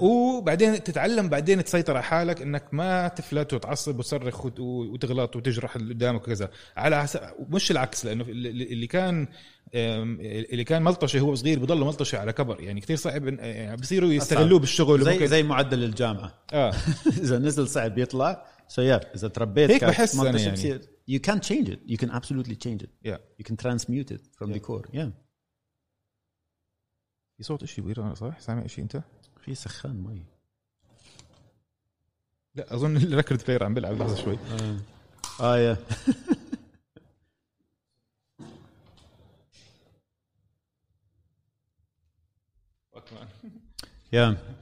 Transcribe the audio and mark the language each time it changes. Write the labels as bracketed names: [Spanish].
[Arabic] وبعدين تتعلم بعدين تسيطر على حالك إنك ما تفلت وتعصب وتصرخ وتغلط وتجرح اللي قدامك كذا على مش العكس لأنه اللي كان ملطشي هو صغير بضل ملطشي على كبر يعني كثير صعب بصيروا يستغلوه بالشغل زي معدل الجامعة إذا نزل صعب يطلع سيار إذا تربيت هيك بحس أنا يعني [English] you can change it you can absolutely change it yeah. you can transmute it from yeah. the core yeah [Arabic] في صوت إشي بغير أنا صح سامع إشي أنت في سخان مي لا أظن الريكورد بلاير عم بلعب لحظة شوي آية يا